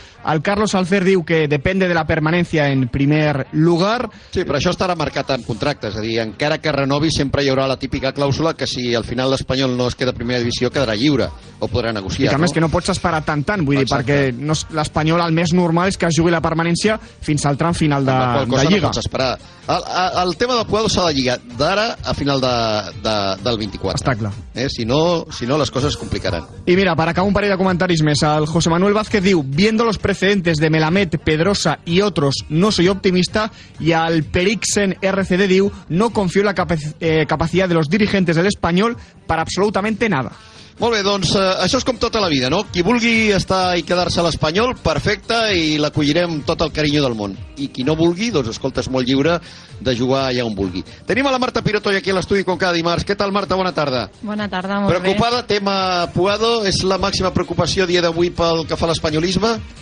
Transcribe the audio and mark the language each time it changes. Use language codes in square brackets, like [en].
[es] Al Carlos Alcer diu que depende de la permanencia en primer lugar. [ca] Sí, però això estarà marcat en contractes. És a dir, encara que renovi, sempre hi haurà la típica clàusula que si al final l'Espanyol no es queda a primera divisió, quedarà lliure o podrà negociar. I que a més que no pots esperar tant, vull dir, perquè no, l'Espanyol el més normal és que es jugui la permanència fins al tram final de Lliga. Amb la qual cosa Lliga. No pots esperar. El tema del Puado s'ha de lligar d'ara a final del 24. Està clar. Si no, les coses es complicaran. I mira, per acabar un parell de comentaris més. [es] El José Manuel Vázquez diu: viendo los precedentes de Melamed, Pedrosa y otros, no soy optimista. Y al Periksen RCD diu: no confío en la capacidad de los dirigentes del Español para absolutamente nada. [ca] Molt bé, doncs això és com tota la vida, no? Qui vulgui estar i quedar-se a l'Espanyol, perfecte, i l'acollirem tot el carinyo del món. I qui no vulgui, doncs escolta, és molt lliure de jugar allà on vulgui. Tenim a la Marta Pirotoy aquí a l'estudi com cada dimarts. Què tal, Marta? Bona tarda. Bona tarda, molt bé. Preocupada, tema Puado, és la màxima preocupació dia d'avui pel que fa a l'espanyolisme?